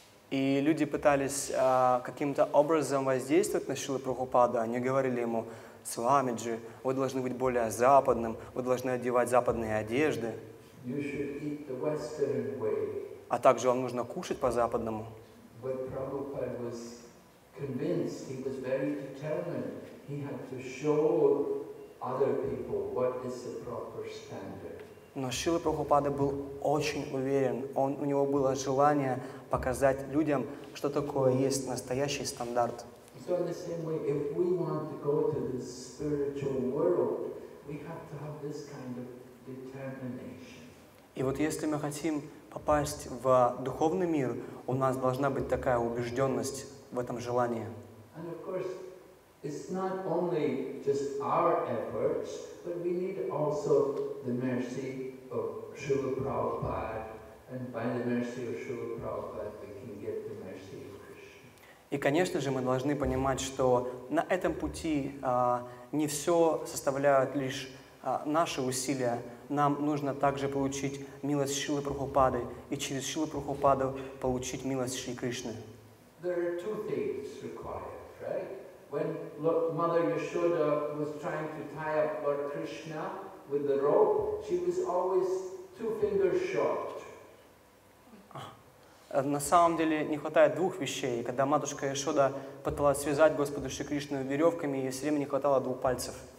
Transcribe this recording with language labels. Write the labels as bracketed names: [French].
[Russian] И люди пытались каким-то образом воздействовать на Шрилу Прабхупаду. Они говорили ему: "Свамиджи, вы должны быть более западным, вы должны одевать западные одежды. [English] You should eat the Western way." [Russian] А также вам нужно кушать по-западному. [English] But Prabhupada was convinced, he was very determined. He had to show other people what is the proper standard. [Russian] Но Шрила Прабхупада был очень уверен. У него было желание показать людям, что такое есть настоящий стандарт. [English] So in the same way, if we want to go to the spiritual world, we have to have this kind of determination. [Russian] И вот если мы хотим попасть в духовный мир, у нас должна быть такая убежденность в этом желании. [English] And of course, it's not only just our efforts, but we need also the mercy of Srila Prabhupada. And by the mercy of Srila Prabhupada, we can get the mercy of Krishna. [Russian] И, конечно же, мы должны понимать, что на этом пути не все составляют лишь наши усилия. Нам нужно также получить милость Шилы Прабхупады и через Шилу Прабхупаду получить милость Шри Кришны. [English] There are two things required, right? When Mother Yashoda was trying to tie up Lord Krishna with the rope, she was always two fingers short. [Russian] На самом деле не хватает двух вещей. Когда матушка Яшода пыталась связать Господу Шри Кришну веревками, ей все время не хватало двух пальцев.